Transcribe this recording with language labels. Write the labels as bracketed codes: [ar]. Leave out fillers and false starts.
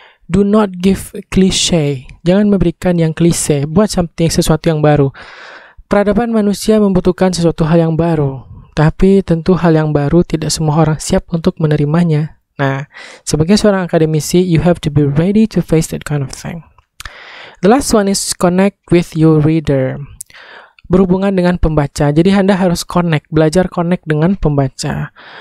[en] Do not give cliche. [id] Jangan memberikan yang klise. Buat something, sesuatu yang baru. Peradaban manusia membutuhkan sesuatu hal yang baru. Tapi tentu hal yang baru tidak semua orang siap untuk menerimanya. Nah, sebagai seorang akademisi, [en] you have to be ready to face that kind of thing. The last one is connect with your reader. [id] Berhubungan dengan pembaca. Jadi Anda harus connect, belajar connect dengan pembaca.